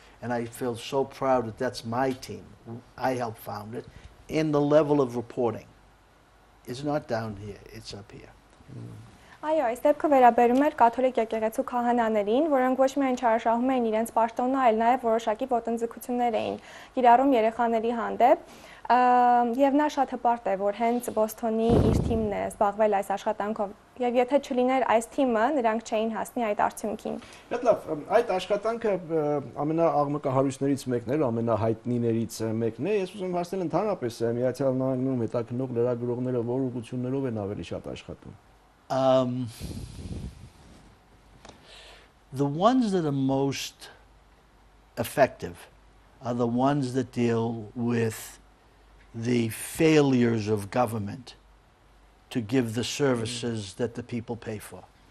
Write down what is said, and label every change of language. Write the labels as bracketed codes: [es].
[en] And I feel so proud that that's my team. I helped found it. And the level of reporting is not down here, it's up here. [hy] Այո, այս դեպքը վերաբերում էր կաթոլիկ եկեղեցու քահանաներին, որոնք ոչ միայն չարաշահում էին իրենց պաշտոնը, այլ նաև որոշակի ոտնձգություններ էին կիրառում երեխաների հանդեպ, եւ նա շատ հպարտ է, որ հենց Բոստոնի իր թիմն է զբաղվել այս աշխատանքով, եւ եթե չլիներ այս թիմը, նրանք չէին հասնի այդ արդյունքին։ Շատ լավ, այդ աշխատանքը ամենաաղմուկահարույցներից մեկն է, ամենահայտնիներից մեկն է, ես ուզում հարցնել ընդհանրապես, Միացյալ Նահանգներում հետաքնող լրագրողները որ ուղղություններով են ավելի շատ աշխատում։ [en] The ones that are most effective are the ones that deal with the failures of government to give the services that the people pay for.